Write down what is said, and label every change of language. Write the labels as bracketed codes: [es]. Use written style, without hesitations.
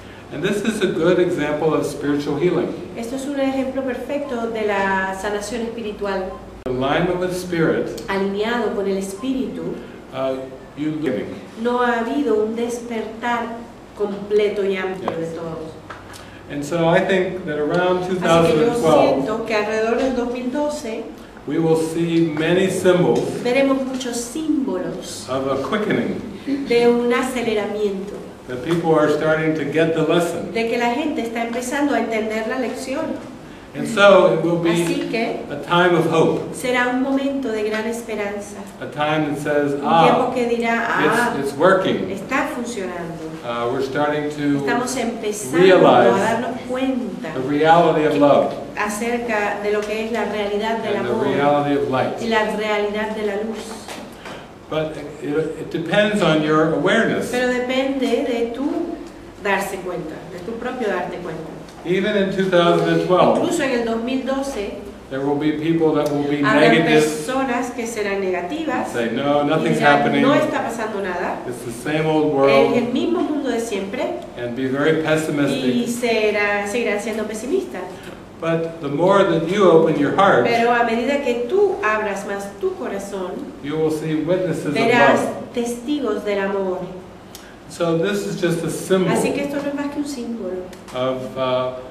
[en] And this is a good example of spiritual healing. [es] Esto es un ejemplo perfecto de la sanación espiritual. [en] Alignment with spirit. [es] Alineado con el espíritu. [en] You living. [es] No ha habido un despertar completo y amplio de todos. [en] And so I think that around 2012. [es] Así que yo siento que alrededor del 2012. [en] We will see many symbols. [es] Veremos muchos símbolos. [en] Of a quickening. [es] De un aceleramiento. [en] That people are starting to get the lesson. [es] De que la gente está empezando a entender la lección. [en] And so it will be [es] así que, [en] a time of hope. [es] Será un momento de gran esperanza. [en] A time that says, [es] un tiempo que dirá, [en] it's working. [es] Está funcionando. [en] We're starting to [es] estamos empezando [en] realize [es] a darnos cuenta [en] the reality of love. [es] Acerca de lo que es la realidad del [en] and [es] amor [en] the reality of light. [es] Y la realidad de la luz. [en] But it depends on your awareness. [es] Pero depende de tu darse cuenta, de tu propio darte cuenta. [en] Even in 2012, [es] incluso en el 2012, [en] there will be people that will be negative. [es] Habrá personas que serán negativas. [en] Say no, nothing's happening. [es] No está pasando nada. [en] It's the same old world. [es] Es el mismo mundo de siempre. [en] And be very pessimistic. [es] Y seguirán siendo pesimistas. [en] But the more that you open your heart, [es] pero a medida que tú abras más tu corazón, [en] you will see witnesses [es] verás [en] of love. [es] Testigos del amor. [en] So this is just a symbol. [es] Así que esto no es más que un símbolo.